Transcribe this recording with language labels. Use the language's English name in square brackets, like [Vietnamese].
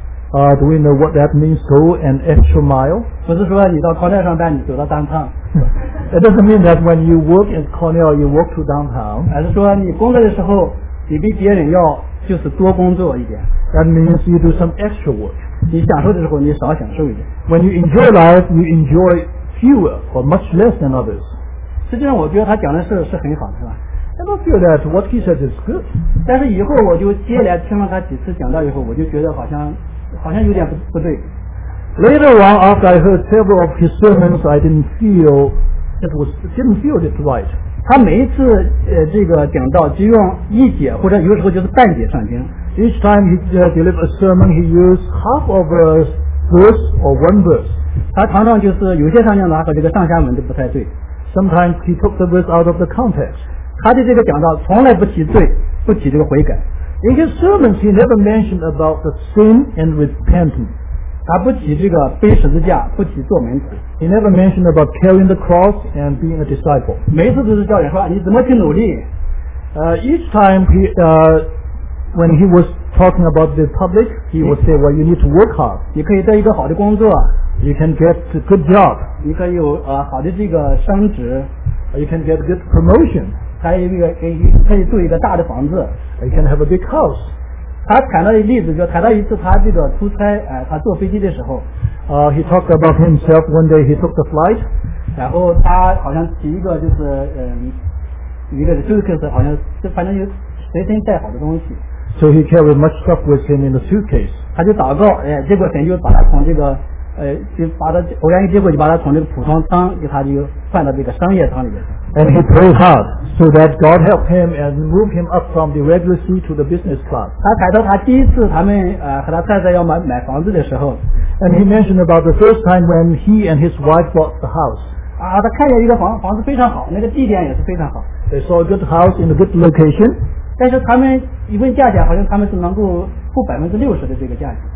[English] Do we know what that means, go an extra mile? [Chinese] 不是说你到 Cornell 上班，你走到 downtown. [English] It doesn't mean that when you work in Cornell, you walk to downtown. [Chinese] 而是说你工作的时候，你比别人要就是多工作一点。 [English] That means you do some extra work. [Chinese] 你享受的时候，你少享受一点。 [English] When you enjoy life, you enjoy fewer or much less than others. [Chinese] 实际上我觉得他讲的是很好的，是吧？ [English] I don't feel that what he says is good. [Chinese] 但是以后我就接连听了他几次讲到以后，我就觉得好像有点不对。 [English] Later on, after I heard several of his sermons, I didn't feel it right. [Chinese] 他每一次这个讲到就用一节或者有时候就是半节圣经。 [English] Each time he delivered a sermon, he used half of a verse or one verse. [Chinese] 他常常就是有些圣经拿和这个上下文就不太对。 [English] Sometimes he took the verse out of the context. [Chinese] 他的这个讲道从来不提罪，不提这个悔改。 [English] In his sermons, he never mentioned about the sin and repentance. [Chinese] 他不提这个背十字架，不提做门徒。 [English] He never mentioned about carrying the cross and being a disciple. [Chinese] 每次都是叫人说你怎么去努力。 [English] Each time he, when he was talking about the public, he would say, "Well, you need to work hard." [Chinese] 你可以得一个好的工作。 [English] You can get a good job. [Chinese] 你可以有好的这个升职。 [English] You can get a good promotion. [Chinese] 可以住一个大的房子。 [English] I can have a big house. [Chinese] 他谈到的例子就谈到一次他这个出差他坐飞机的时候。 [English] He talked about himself one day he took the flight. [Chinese] 然后他好像提一个就是一个 suitcase 好像就反正有随身带好的东西。 [English] So he carried much stuff with him in the suitcase. [Chinese] 他就祷告结果神就把他从这个就把他偶然一结果就把他从这个普通舱给他就换到这个商业舱里面。 [English] And he prayed hard so that God helped him and moved him up from the regular suit to the business class. [Chinese] 他谈到他第一次他们和他太太要买房子的时候。 [English] And he mentioned about the first time when he and his wife bought the house. [Chinese] 他看见一个房子非常好，那个地点也是非常好。 [English] They saw a good house in a good location. [Chinese] 但是他们一问价钱，好像他们是能够付60%的这个价钱。